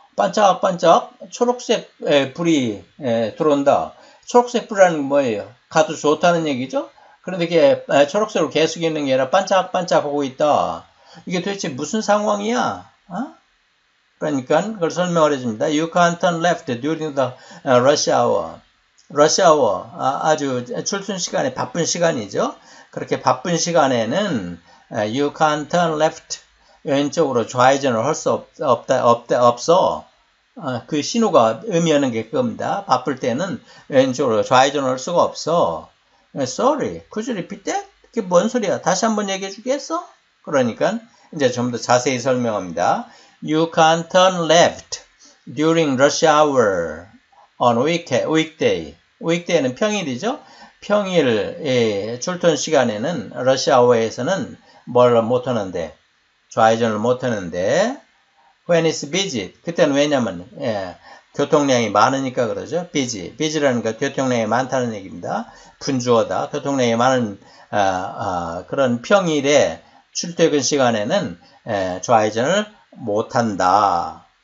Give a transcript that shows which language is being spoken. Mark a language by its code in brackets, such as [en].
[ko] 반짝반짝 초록색 불이 들어온다. 초록색 불이라는 게 뭐예요? 가도 좋다는 얘기죠? 그런데 이게 초록색으로 계속 있는 게 아니라 반짝반짝 하고 있다. 이게 도대체 무슨 상황이야? 그러니까 그걸 설명을 해줍니다. [en] You can't turn left during the rush hour. Rush hour. [ko] 아주 출퇴근 시간에 바쁜 시간이죠? 그렇게 바쁜 시간에는 [en] you can't turn left. [ko] 왼쪽으로 좌회전을 할수 없어. 그 신호가 의미하는 게 그겁니다. 바쁠 때는 왼쪽으로 좌회전을 할 수가 없어. [en] Sorry, could you repeat that? [ko] 그게 뭔 소리야? 다시 한번 얘기해 주겠어? 그러니까 이제 좀더 자세히 설명합니다. [en] You can't turn left during rush hour on weekday. [ko] Weekday는 평일이죠? 평일에 출퇴근 시간에는 러시 아워에서는 뭘못 하는데, 좌회전을 못 하는데, [en] when it's busy, [ko] 그때는 왜냐면 교통량이 많으니까 그러죠. busy, busy라는 게 교통량이 많다는 얘기입니다. 분주하다, 교통량이 많은 그런 평일에 출퇴근 시간에는 좌회전을 못 한다.